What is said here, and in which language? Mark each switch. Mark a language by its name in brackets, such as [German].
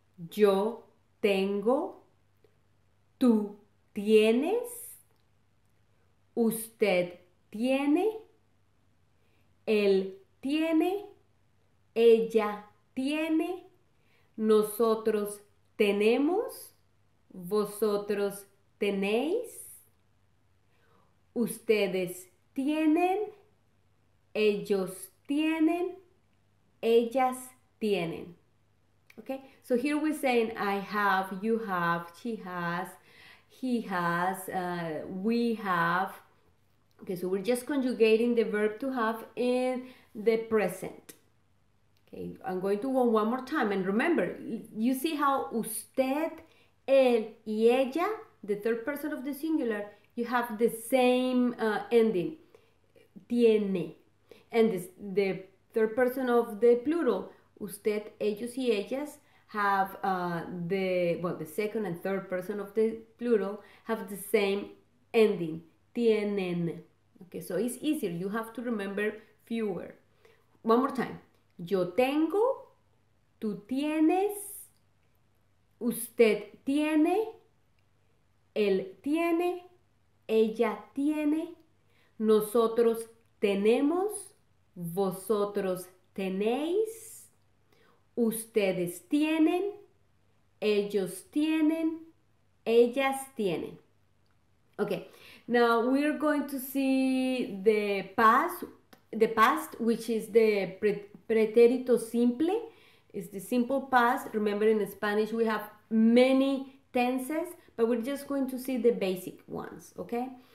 [Spanish] Yo tengo, tú tienes, usted tiene, él tiene, ella tiene, nosotros tenemos, vosotros tenéis, ustedes tienen, ellos tienen, ellas tienen. [English] Okay, so here we're saying I have, you have, she has, he has, we have. Okay, so we're just conjugating the verb to have in the present. Okay, I'm going to go one more time. And remember, you see how [Spanish] usted, él y ella, [English] the third person of the singular, you have the same ending, tiene. And this, the third person of the plural, [Spanish] usted, ellos y ellas, [English] have the second and third person of the plural have the same ending, tienen. Okay, so it's easier. You have to remember fewer. One more time. [Spanish] Yo tengo, tú tienes, usted tiene, él tiene, ella tiene, nosotros tenemos, vosotros tenéis, ustedes tienen, ellos tienen, ellas tienen. [English] Okay, now we're going to see the past, which is the pretérito simple. It's the simple past. Remember, in Spanish we have many tenses, but we're just going to see the basic ones, okay?